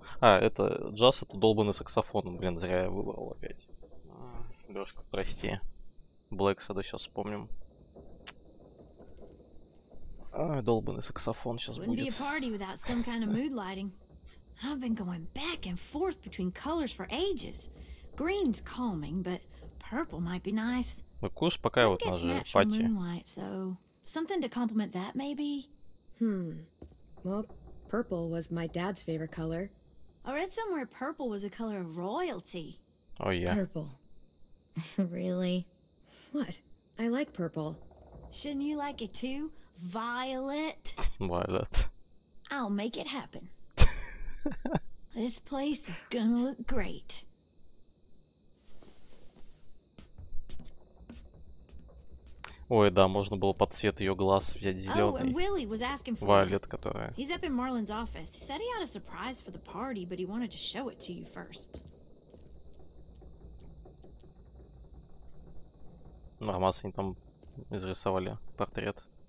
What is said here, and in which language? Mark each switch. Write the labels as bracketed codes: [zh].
[ru] А, это джаз — это долбаный саксофон. Блин, зря я выбрал опять. Лёшка, прости. Black Sad сейчас вспомним. Ай, долбаный саксофон сейчас [en] Wouldn't [ru] будет. [en] Be a party without some kind of mood lighting. I've been going back and forth between colors for ages. Green's calming, but purple might be nice. [ru] Ну, курс пока вот на же пати. [en] Moonlight, so something to complement that, maybe? Well, purple was my dad's favorite color. I read somewhere purple was a color of royalty. Oh, yeah. Purple. Really? What? I like purple. Shouldn't you like it too? Violet. Violet. I'll make it happen. This place is gonna look great. [ru] Ой, да, можно было под цвет ее глаз взять зеленый. Вайолет, которая. [en] He's up in Marlin's office. He said he had a surprise for the party, but he wanted to show it to you first. [ru] Ну, а массы они там изрисовали портрет.